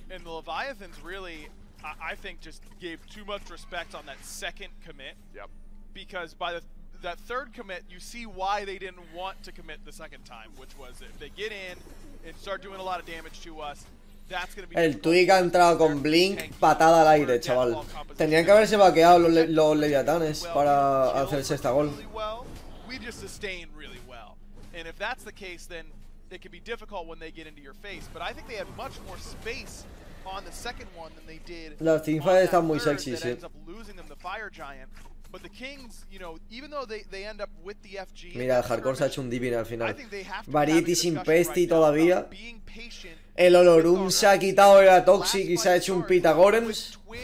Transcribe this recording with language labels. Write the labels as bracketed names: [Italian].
[English] And the Leviathans really. I think just gave too much respect on that second commit. Yep. Because by that third commit, you see why they didn't want to commit the second time, which was if they get in and start doing a lot of damage to us, that's going to be... [Spanish] El Twig ha entrado con Blink, patada al aire, chaval. Tenían que haberse vaqueado los Leviatanes para hacerse esta gol. [English] We just sustained really well. And if that's the case, then it can be difficult when they get into your face. But I think they had much more space... On the second one than they did. [Spanish] Las teamfights están muy sexy, sí. [English] Ends up losing them the Fire Giant, but the Kings, you know, even though they end up with the FG. [Spanish] Mira, Hardcore se ha hecho un divino al final. Variety sin Pesti todavía. El Olorum se ha quitado la Toxic y se ha hecho un Pitagorens.